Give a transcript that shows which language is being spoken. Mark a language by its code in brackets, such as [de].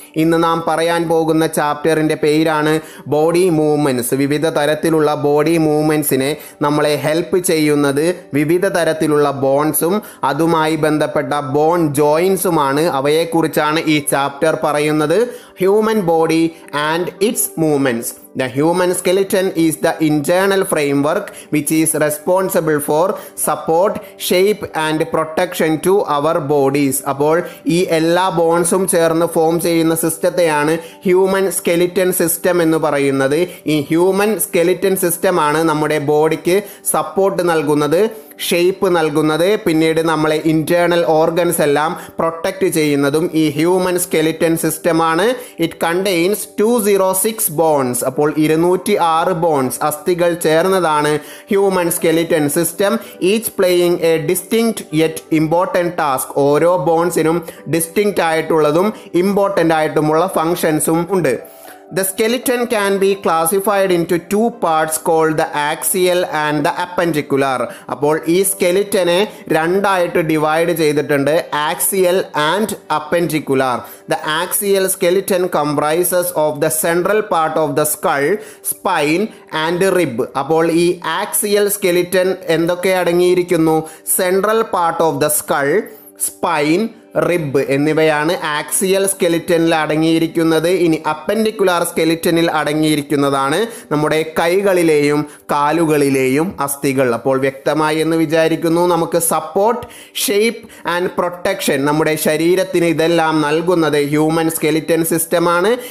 [ml] ഇന്ന് നാം പറയാൻ പോകുന്ന ചാപ്റ്ററിൻ്റെ പേരാണ് ബോഡി മൂവ്മെൻറ്റ്സ്. വിവിധ തരത്തിലുള്ള ബോഡി മൂവ്മെൻറ്റ്സിനെ നമ്മളെ ഹെൽപ്പ് ചെയ്യുന്നത് വിവിധ തരത്തിലുള്ള ബോൺസും അതുമായി ബന്ധപ്പെട്ട ബോൺ ജോയിൻസുമാണ്. അവയെക്കുറിച്ചാണ് ഈ ചാപ്റ്റർ പറയുന്നത്. [en] Human body and its movements. The human skeleton is the internal framework which is responsible for support, shape and protection to our bodies. [ml] അപ്പോൾ ഈ എല്ലാ ബോൺസും ചേർന്ന് ഫോം ചെയ്യുന്ന സിസ്റ്റത്തെയാണ് ഹ്യൂമൻ സ്കെലിറ്റൻ സിസ്റ്റം എന്ന് പറയുന്നത്. ഈ ഹ്യൂമൻ സ്കെലിറ്റൻ സിസ്റ്റമാണ് നമ്മുടെ ബോഡിക്ക് സപ്പോർട്ട് നൽകുന്നത്, ഷേപ്പ് നൽകുന്നത്, പിന്നീട് നമ്മളെ ഇൻറ്റേർണൽ ഓർഗൻസ് എല്ലാം പ്രൊട്ടക്റ്റ് ചെയ്യുന്നതും ഈ ഹ്യൂമൻ സ്കെലിറ്റൻ സിസ്റ്റമാണ്. [en] It contains 206 bones. [ml] അപ്പോൾ 206 ബോൺസ്, അസ്ഥികൾ ചേർന്നതാണ് human skeleton system. [en] Each playing a distinct yet important task. [ml] ഓരോ ബോൺസിനും ഡിസ്റ്റിങ്ക്ട് ആയിട്ടുള്ളതും ഇമ്പോർട്ടൻ്റ് ആയിട്ടുമുള്ള ഫങ്ഷൻസും ഉണ്ട്. [en] The skeleton can be classified into two parts called the axial and the appendicular. [ml] അപ്പോൾ ഈ സ്കെലിറ്റനെ രണ്ടായിട്ട് ഡിവൈഡ് ചെയ്തിട്ടുണ്ട്, axial and അപ്പൻഡിക്കുലർ. [en] The axial skeleton comprises of the central part of the skull, spine and rib. [ml] അപ്പോൾ ഈ axial skeleton എന്തൊക്കെ അടങ്ങിയിരിക്കുന്നു? [en] Central part of the skull, [ml] spine, rib എന്നിവയാണ് axial സ്കെലിറ്റനിൽ അടങ്ങിയിരിക്കുന്നത്. ഇനി അപ്പൻഡിക്കുലാർ സ്കെലിറ്റനിൽ അടങ്ങിയിരിക്കുന്നതാണ് നമ്മുടെ കൈകളിലെയും കാലുകളിലെയും അസ്ഥികൾ. അപ്പോൾ വ്യക്തമായി എന്ന് വിചാരിക്കുന്നു, നമുക്ക് സപ്പോർട്ട്, ഷേപ്പ് ആൻഡ് പ്രൊട്ടക്ഷൻ നമ്മുടെ ശരീരത്തിന് ഇതെല്ലാം നൽകുന്നത് ഹ്യൂമൻ സ്കെലിറ്റൻ സിസ്റ്റമാണ്.